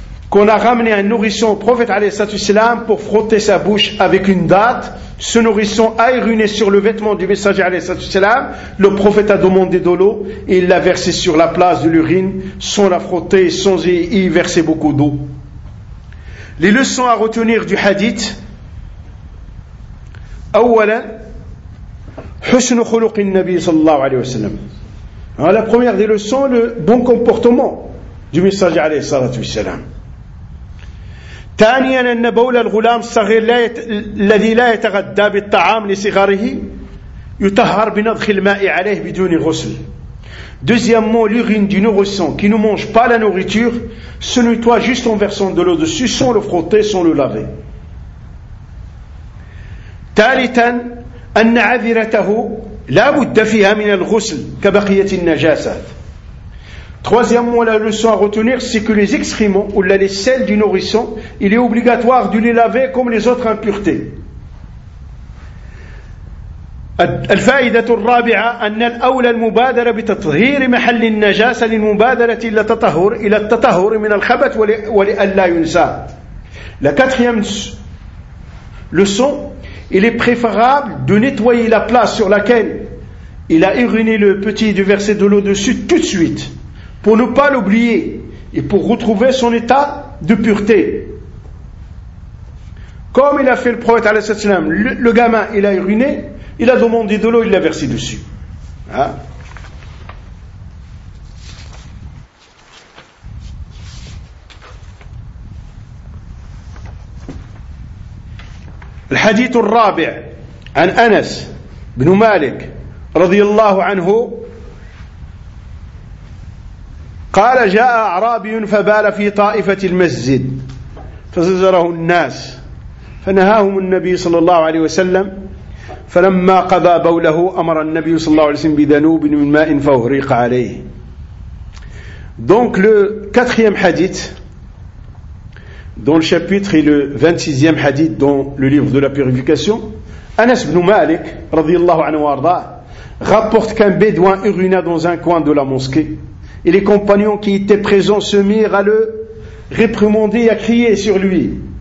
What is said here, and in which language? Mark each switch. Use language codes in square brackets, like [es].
[fr] qu'on a ramené un nourrisson au prophète alayhissalam pour frotter sa bouche avec une date. Ce nourrisson a uriné sur le vêtement du messager alayhissalam. Le prophète a demandé de l'eau et il l'a versé sur la place de l'urine sans la frotter et sans y verser beaucoup d'eau. Les leçons à retenir du hadith. [ar] أولا حسن خلق النبي صلى الله عليه وسلم. [fr] La première des leçons, le bon comportement du messager [ar] عليه الصلاة والسلام. ثانيا أن بول الغلام الصغير الذي لا يتغدى بالطعام لصغاره يطهر بنضخ الماء عليه بدون غسل. [fr] Deuxièmement, l'urine du nourrisson qui ne mange pas la nourriture se nettoie juste en versant de l'eau dessus sans le frotter, sans le laver. [ar] ثالثا أن عذرته لا بد فيها من الغسل كبقية النجاسات. [fr] Troisièmement, la leçon à retenir, c'est que les excréments ou les selles du nourrisson, il est obligatoire de les laver comme les autres impuretés. [ar] الفائدة الرابعة أن الأولى المبادرة بتطهير محل النجاسة للمبادرة إلى التطهر من الخبث ولئلا ينسى. [fr] La quatrième leçon, il est préférable de nettoyer la place sur laquelle il a uriné le petit et de verser de l'eau dessus tout de suite pour ne pas l'oublier et pour retrouver son état de pureté. Comme il a fait le prophète alayhi sallam, le gamin, il a uriné, il a demandé de l'eau, il l'a versé dessus. Hein? [ar] الحديث الرابع عن أنس بن مالك رضي الله عنه قال جاء أعرابي فبال في طائفة المسجد فزجره الناس فنهاهم النبي صلى الله عليه وسلم فلما قضى بوله أمر النبي صلى الله عليه وسلم بذنوب من ماء فأهريق عليه. [fr] Donc le quatrième hadith dont le chapitre est le 26e hadith dans le livre de la purification, Anas ibn Malik, [ar] radiyallahu anhu arda, [fr] rapporte qu'un bédouin urina dans un coin de la mosquée, et les compagnons qui étaient présents se mirent à le réprimander et à crier sur lui.